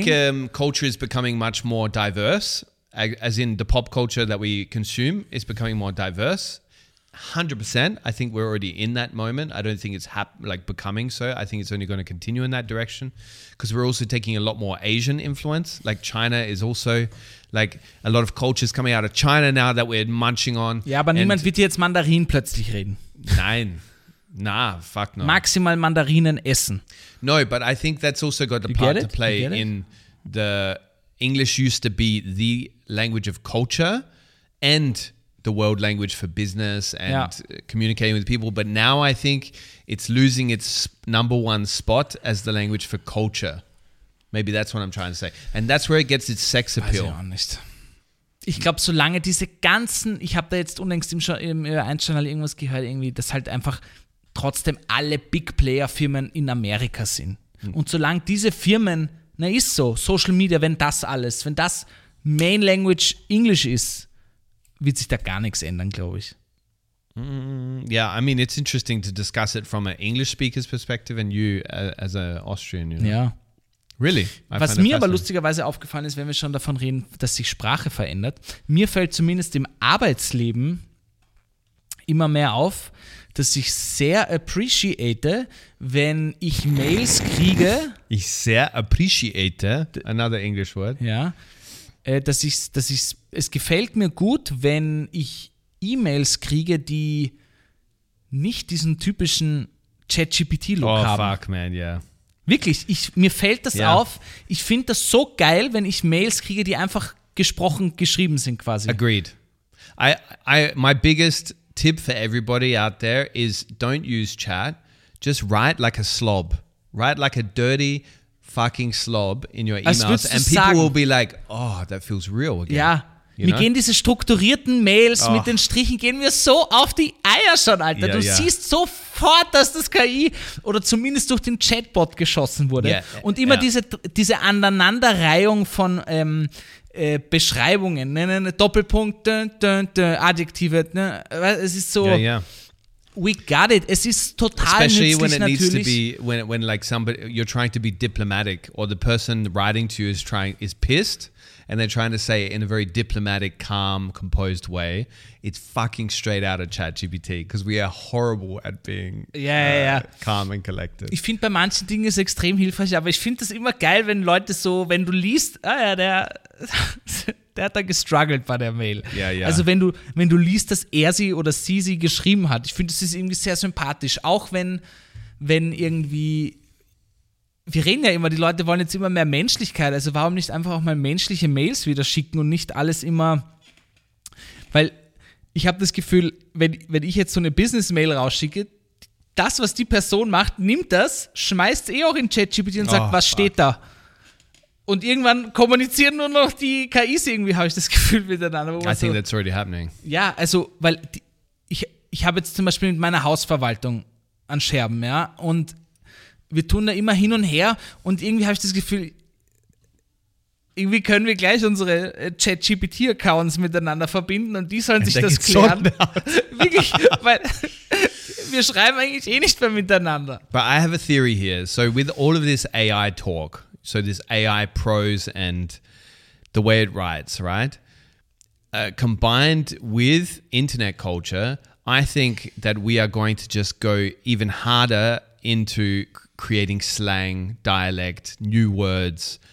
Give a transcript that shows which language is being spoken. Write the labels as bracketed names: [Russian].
[English] I think culture is becoming much more diverse, as in the pop culture that we consume is becoming more diverse. 100%. I think we're already in that moment. I don't think it's becoming so. I think it's only going to continue in that direction because we're also taking a lot more Asian influence. Like China is also like a lot of cultures coming out of China now that we're munching on. [German] Ja, aber niemand wird jetzt Mandarin plötzlich reden. Nein. Na, [English] fuck no. [German] Maximal Mandarinen essen. [English] No, but I think that's also got a part to play in the English used to be the language of culture and the world language for business and communicating with people. But now I think it's losing its number one spot as the language for culture. Maybe that's what I'm trying to say. And that's where it gets its sex appeal. [German] Weiß ich auch nicht. Ich glaube, solange diese ganzen, ich habe da jetzt unlängst im Ö1-Channel irgendwas gehört, irgendwie, dass halt einfach trotzdem alle Big-Player-Firmen in Amerika sind. Und solange diese Firmen, na ist so, Social Media, wenn das Main Language Englisch ist, wird sich da gar nichts ändern, glaube ich. [English] Yeah, I mean, it's interesting to discuss it from an English speaker's perspective and you as an Austrian, you know. [German] Ja. [English] Really? [German] Was mir aber lustigerweise aufgefallen ist, wenn wir schon davon reden, dass sich Sprache verändert, mir fällt zumindest im Arbeitsleben immer mehr auf, dass ich sehr appreciate, wenn ich Mails kriege. Ich sehr appreciate, [English] another English word. [German] Ja. Es gefällt mir gut, wenn ich E-Mails kriege, die nicht diesen typischen ChatGPT-Look haben. [English] Oh, fuck, man, yeah. [German] Wirklich, mir fällt das auf. Ich finde das so geil, wenn ich Mails kriege, die einfach gesprochen, geschrieben sind quasi. [English] Agreed. My biggest tip for everybody out there is don't use chat. Just write like a slob. Write like a dirty fucking slob in your emails. [German] Als würdest du [English] and [German] sagen, [English] people will be like, oh, that feels real again. Ja. You mir know? [German] Gehen diese strukturierten Mails mit den Strichen, gehen mir so auf die Eier schon, Alter. [English] Yeah, [German] du siehst sofort, dass das KI oder zumindest durch den Chatbot geschossen wurde. [English] Yeah, [German] und immer diese Aneinanderreihung von Beschreibungen. Ne, Doppelpunkte, Adjektive. Ne, es ist so, [English] yeah, yeah. We got it. [German] Es ist total nützlich, [English] Especially when it needs to be, when like somebody, you're trying to be diplomatic or the person writing to you is pissed and they're trying to say it in a very diplomatic, calm, composed way. It's fucking straight out of ChatGPT because we are horrible at being calm and collected. [German] Ich finde, bei manchen Dingen ist es extrem hilfreich, aber ich finde das immer geil, wenn Leute so, wenn du liest, der hat da gestruggelt bei der Mail. Ja, ja. Also wenn du liest, dass er sie oder sie sie geschrieben hat, ich finde, das ist irgendwie sehr sympathisch. Auch wenn irgendwie, wir reden ja immer, die Leute wollen jetzt immer mehr Menschlichkeit. Also warum nicht einfach auch mal menschliche Mails wieder schicken und nicht alles immer, weil ich habe das Gefühl, wenn ich jetzt so eine Business-Mail rausschicke, das, was die Person macht, nimmt das, schmeißt es eh auch in ChatGPT und sagt, was steht da? Und irgendwann kommunizieren nur noch die KIs irgendwie, habe ich das Gefühl, miteinander. [English] I think that's already happening. [German] Ja, also, weil ich habe jetzt zum Beispiel mit meiner Hausverwaltung an Scherben, ja, und wir tun da immer hin und her und irgendwie habe ich das Gefühl, irgendwie können wir gleich unsere ChatGPT-Accounts miteinander verbinden und die sollen sich das klären. Wirklich, weil wir schreiben eigentlich eh nicht mehr miteinander. [English] But I have a theory here. So with all of this AI talk, so this AI prose and the way it writes, right? Combined with internet culture, I think that we are going to just go even harder into creating slang, dialect, new words.